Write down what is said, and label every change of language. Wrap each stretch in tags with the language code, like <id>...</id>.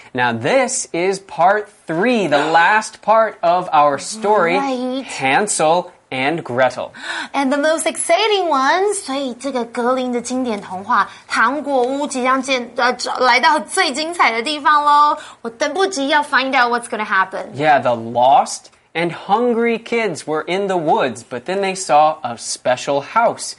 <en>Now this is part three, the last part of our story, right. Hansel and Gretel. And the most exciting one.</en> <zh>所以这个格林的经典童话《糖果屋》即将来到最精彩的地方咯。我等不及要</zh> <en>find out what's going to happen. Yeah, the lost and hungry kids were in the woods, but then they saw a special house,</en>